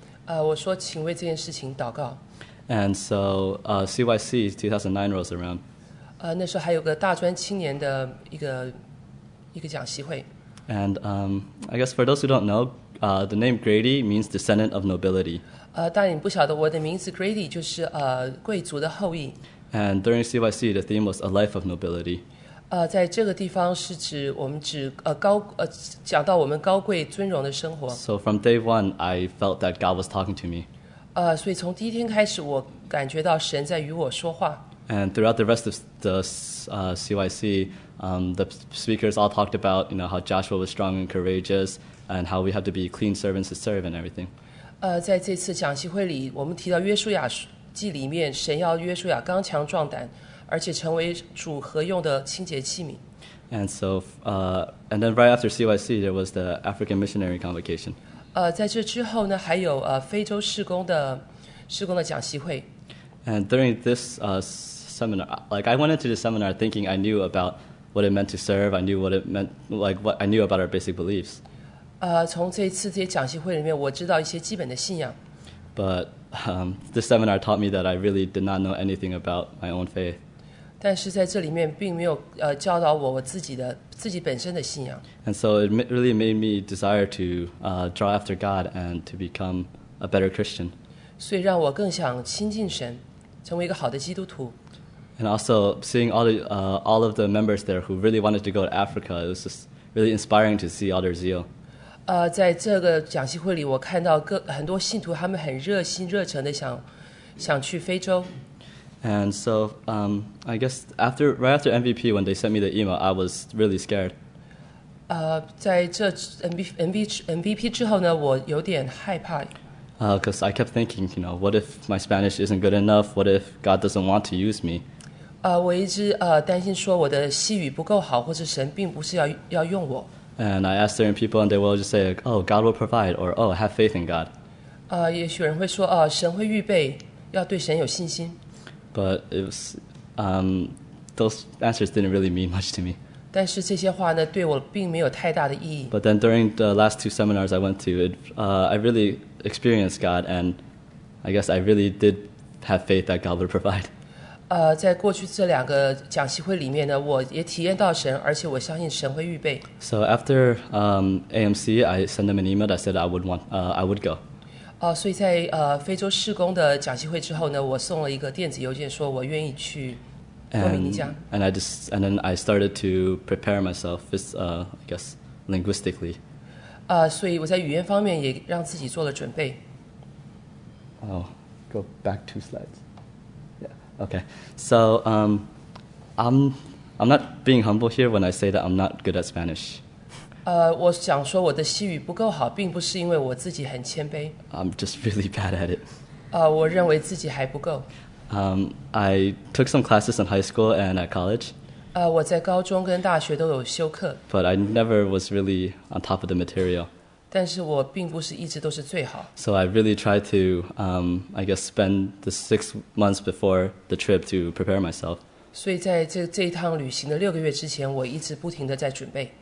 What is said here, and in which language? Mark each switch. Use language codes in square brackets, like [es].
[zh] 我说请为这件事情祷告。 [en] And so CYC 2009 rolls around. [zh] 那时候还有个大专青年的一个讲习会。 [en] And I guess for those who don't know, the name Grady means descendant of nobility. [zh] 但你不晓得我的名字 Grady 就是贵族的后裔。 [en] And during CYC, the theme was a life of nobility. [zh] 在这个地方是指我们指讲到我们高贵尊荣的生活。 [en] So from day one, I felt that God was talking to me. [zh] 所以从第一天开始，我感觉到神在与我说话。 [en] And throughout the rest of the CYC, the speakers all talked about, you know, how Joshua was strong and courageous, and how we have to be clean servants to serve and everything. [zh] 在这次讲习会里，我们提到约书亚记里面，神要约书亚刚强壮胆，而且成为主合用的清洁器皿。 [en] And so, and then right after CYC, there was the African Missionary Convocation. [zh] 在这之后呢，还有非洲施工的讲习会。 [en] And during this seminar, like I went into the seminar thinking I knew about what it meant to serve. I knew what it meant, like what I knew about our basic beliefs. [zh] 从这次这些讲习会里面，我知道一些基本的信仰。 [en] But this seminar taught me that I really did not know anything about my own faith. [zh] 但是在这里面并没有教导我自己本身的信仰。 [en] And so it really made me desire to draw after God and to become a better Christian. [zh] 所以让我更想亲近神，成为一个好的基督徒。 [en] And also seeing all of the members there who really wanted to go to Africa, it was just really inspiring to see all their zeal. [zh] 在这个讲习会里，我看到很多信徒，他们很热心热诚的想去非洲。 [en] And so, I guess right after MVP, when they sent me the email, I was really scared. [zh] 在这 MVP 之后呢，我有点害怕。 [en] Because I kept thinking, you know, what if my Spanish isn't good enough? What if God doesn't want to use me? [zh] 我一直担心说我的西语不够好，或者神并不是要用我。 [en] And I asked certain people, and they will just say, "Oh, God will provide," or "Oh, have faith in God." [zh] 也许人会说，神会预备，要对神有信心。 [en] But it was, those answers didn't really mean much to me. [zh] 但是这些话呢，对我并没有太大的意义。 [en] But then during the last 2 seminars I went to, I really experienced God, and I guess I really did have faith that God would provide. [zh] 在过去这两个讲习会里面呢，我也体验到神，而且我相信神会预备。 [en] So after AMC, I sent them an email that said I would go. [zh] 所以在非洲事工的讲习会之后呢，我送了一个电子邮件，说我愿意去多米尼加。 [en] And then I started to prepare myself, I guess, linguistically. [zh] 所以我在语言方面也让自己做了准备。 [en] Oh, go back 2 slides. Yeah, okay. So, I'm not being humble here when I say that I'm not good at Spanish. [zh] 我想说我的西语不够好，并不是因为我自己很谦卑。 [en] I'm just really bad at it. [zh] 我认为自己还不够。 [en] I took some classes in high school and at college. [zh] 我在高中跟大学都有修课。 [en] But I never was really on top of the material. [zh] 但是我并不是一直都是最好。 [en] So I really tried to, I guess, spend the 6 months before the trip to prepare myself. [zh] 所以在这一趟旅行的六个月之前，我一直不停的在准备。